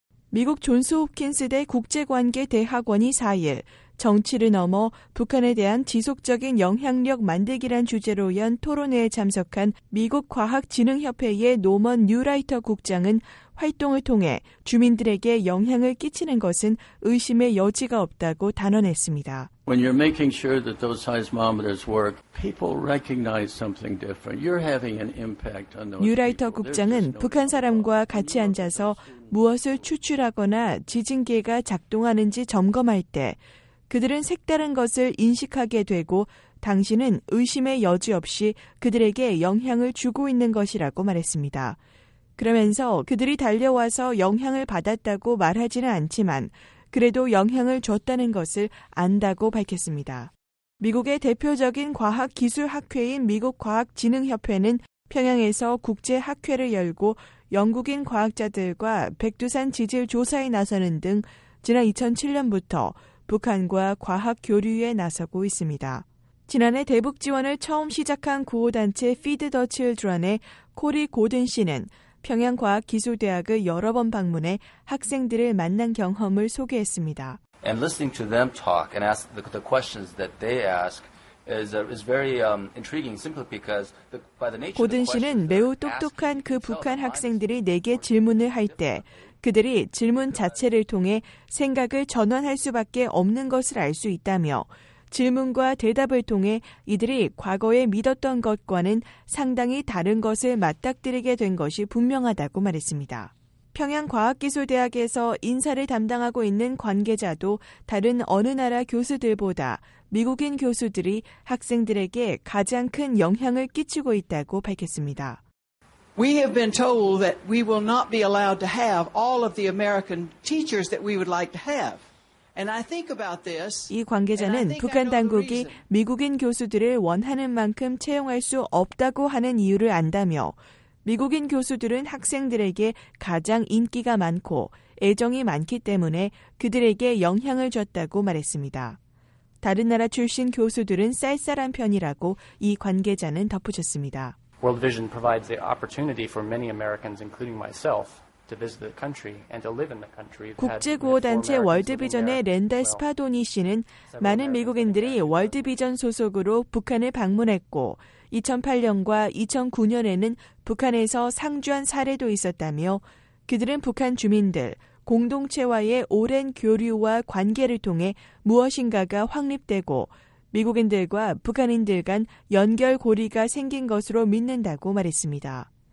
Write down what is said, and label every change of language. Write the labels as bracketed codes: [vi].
[ko] 미국 존스 홉킨스 대 국제관계대학원이 4일 정치를 넘어 북한에 대한 지속적인 영향력 만들기란 주제로 연 토론회에 참석한 미국 과학진흥협회의 노먼 뉴라이터 국장은 활동을 통해 주민들에게 영향을 끼치는 것은 의심의 여지가 없다고 단언했습니다. [en] When you're making sure that those seismometers work, people recognize something different. You're having an impact on those. [ko] 뉴라이터 국장은 북한 사람과 같이 앉아서 무엇을 추출하거나 지진계가 작동하는지 점검할 때 그들은 색다른 것을 인식하게 되고 당신은 의심의 여지 없이 그들에게 영향을 주고 있는 것이라고 말했습니다. 그러면서 그들이 달려와서 영향을 받았다고 말하지는 않지만 그래도 영향을 줬다는 것을 안다고 밝혔습니다. 미국의 대표적인 과학기술학회인 미국과학진흥협회는 평양에서 국제학회를 열고 영국인 과학자들과 백두산 지질 조사에 나서는 등 지난 2007년부터 북한과 과학 교류에 나서고 있습니다. 지난해 대북 지원을 처음 시작한 구호단체 Feed the Children의 코리 고든 씨는 평양과학기술대학을 여러 번 방문해 학생들을 만난 경험을 소개했습니다. [en] And listening to them talk and ask the questions that they ask is very intriguing simply because by the nature of the question. [ko] 고든 씨는 매우 똑똑한 그 북한 학생들이 내게 질문을 할 때 그들이 질문 자체를 통해 생각을 전환할 수밖에 없는 것을 알 수 있다며 질문과 대답을 통해 이들이 과거에 믿었던 것과는 상당히 다른 것을 맞닥뜨리게 된 것이 분명하다고 말했습니다. 평양과학기술대학에서 인사를 담당하고 있는 관계자도 다른 어느 나라 교수들보다 미국인 교수들이 학생들에게 가장 큰 영향을 끼치고 있다고 밝혔습니다. [en] We have been told that we will not be allowed to have all of the American teachers that we would like to have. [ko] 이 관계자는 북한 당국이 미국인 교수들을 원하는 만큼 채용할 수 없다고 하는 이유를 안다며 미국인 교수들은 학생들에게 가장 인기가 많고 애정이 많기 때문에 그들에게 영향을 줬다고 말했습니다. 다른 나라 출신 교수들은 쌀쌀한 편이라고 이 관계자는 덧붙였습니다. [en] World Vision provides the opportunity for many Americans, including myself, to visit the country and to live in the country. [ko] 국제구호단체 월드비전의 랜달 스파도니 씨는 많은 미국인들이 월드비전 소속으로 북한을 방문했고 2008년과 2009년에는 북한에서 상주한 사례도 있었다며 그들은 북한 주민들, 공동체와의 오랜 교류와 관계를 통해 무엇인가가 확립되고 미국인들과 북한인들 간 연결고리가 생긴 것으로 믿는다고 말했습니다.